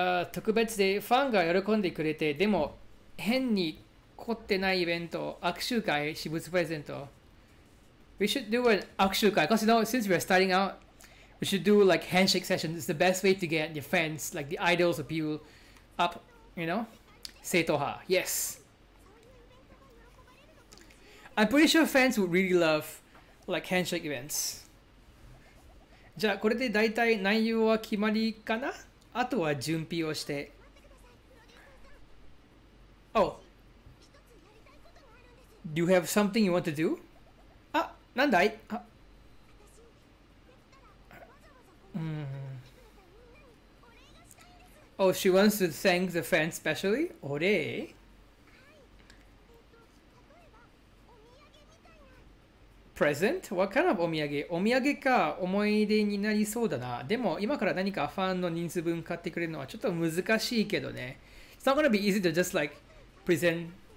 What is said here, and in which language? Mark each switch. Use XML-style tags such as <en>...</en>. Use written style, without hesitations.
<ja>特別でファンが喜んでくれて、でも変に凝ってないイベント、握手会、私物プレゼント。</ja> <en>We should do an 握手会、because you know, since we are starting out, we should do like handshake sessions. It's the best way to get the fans, like the idols appeal up, you know?</en> <ja>正統派、yes.</ja> <en>I'm pretty sure fans would really love like handshake events.</en> <ja>じゃあこれで大体内容は決まりかな？あとは準備をして。</ja> <en>Oh. Do you have something you want to do?</en> <ja>あ、なんだい？あ。</ja> <en>Oh, she wants to thank the fans specially?</en> <ja>お礼？プレゼント？</ja> <en>What kind of</en> <ja>お土産？お土産か、思い出になりそうだな。でも、今から何かファンの人数分買ってくれるのはちょっと難しいけどね。</ja> <en>It's not gonna be easy to just like present.</en>